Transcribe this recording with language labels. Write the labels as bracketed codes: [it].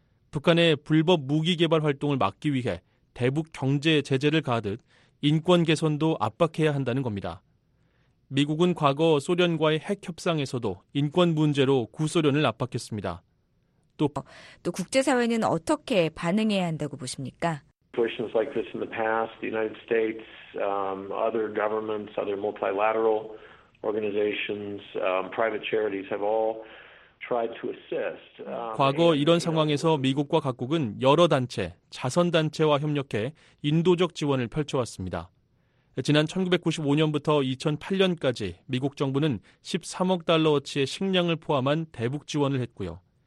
[ko] 북한의 불법 무기 개발 활동을 막기 위해 대북 경제 제재를 가하듯 인권 개선도 압박해야 한다는 겁니다. 미국은 과거 소련과의 핵 협상에서도 인권 문제로 구소련을 압박했습니다. 또 국제사회는 어떻게 반응해야 한다고 보십니까? [en] Situations like this in the past, the United States, other governments, other multilateral organizations, private charities have all [ko] 과거 이런 상황에서 미국과 각국은 여러 단체, 자선단체와 협력해 인도적 지원을 펼쳐왔습니다. 지난 1995년부터 2008년까지 미국 정부는 13억 달러어치의 식량을 포함한 대북 지원을 했고요.